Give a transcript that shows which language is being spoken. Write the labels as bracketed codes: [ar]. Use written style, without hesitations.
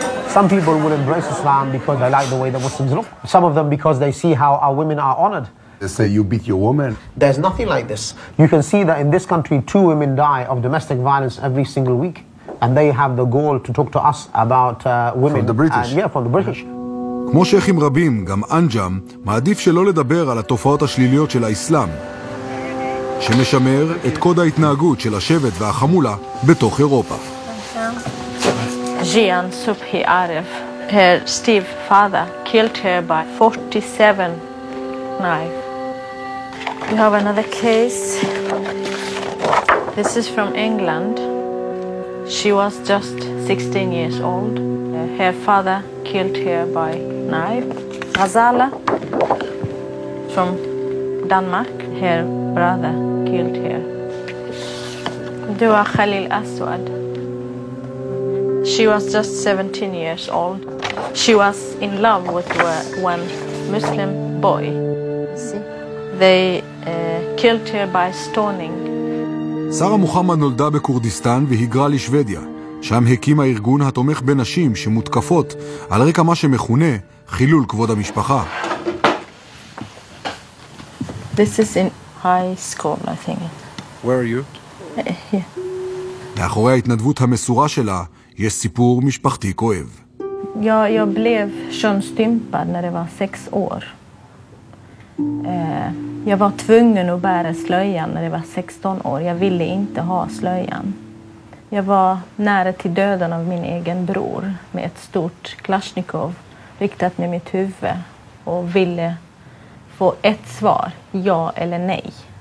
[en] Some people will embrace Islam because they like the way the Muslims look. Some of them because they see how our women are honored. They say you beat your woman. There's nothing like this. You can see that in this country, two women die of domestic violence every single week. And they have the goal to talk to us about women. From the British? Yeah, from the British. [he] כמו שייכים רבים, גם אנג'אם מעדיף שלא לדבר על התופעות השליליות של האסלאם, שמשמר את קוד ההתנהגות של השבט והחמולה בתוך אירופה. [en] Jian Subhi Arif, her Steve father, killed her by 47 knife. You have another case. This is from England. She was just 16 years old. Her father killed her by knife. Ghazala from Denmark. Her brother killed her. Dua Khalil Aswad. She was just 17 years old. She was in love with one Muslim boy. They killed her by stoning. [he] שרה מוחמד נולדה בקורדיסטן והיגרה לשוודיה, שם הקימה ארגון התומך בנשים שמותקפות על רקע מה שמכונה חילול כבוד המשפחה. [en] This is in high school, I think. Where are you? Here. [he] מאחורי ההתנדבות המסורה שלה יש סיפור משפחתי כואב. [sv] Jag blev könsstympad när det var 6 år. Jag var tvungen att bära slöjan när jag var 16 år. Jag ville inte ha slöjan. Jag var nära till döden av min egen bror med ett stort Kalashnikov riktat med mitt huvud och ville få ett svar, ja eller nej.